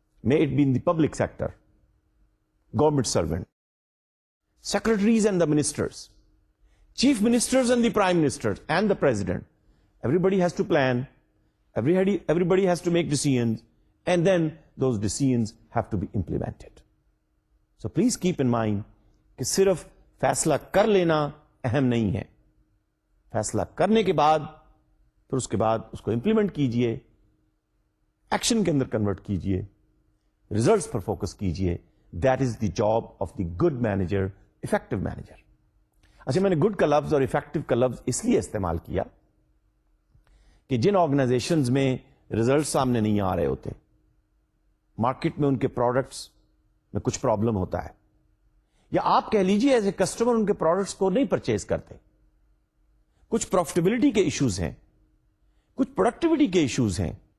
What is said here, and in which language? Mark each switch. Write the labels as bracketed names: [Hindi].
[English] May it be in the public sector, government servant, secretaries and the ministers, chief ministers and the prime ministers and the president, everybody has to plan. Everybody has to make decisions, and then those decisions have to be implemented. So please keep in mind [Urdu] کہ صرف فیصلہ کر لینا اہم نہیں ہے. فیصلہ کرنے کے بعد پھر اس کے بعد اس کو امپلیمنٹ کیجئے, ایکشن کے اندر کنورٹ کیجئے, ریزلٹس پر فوکس کیجئے. [English] That is the job of the good manager, effective manager. [Urdu] اچھا میں نے good کا لفظ اور effective کا لفظ اس لیے استعمال کیا کہ جن آرگنائزیشنز میں ریزلٹ سامنے نہیں آ رہے ہوتے, مارکیٹ میں ان کے پروڈکٹس میں کچھ پرابلم ہوتا ہے, یا آپ کہہ لیجئے [English] as a customer [Urdu] ان کے پروڈکٹس کو نہیں پرچیز کرتے, کچھ پروفیٹیبلٹی کے ایشوز ہیں, کچھ پروڈکٹیویٹی کے ایشوز ہیں.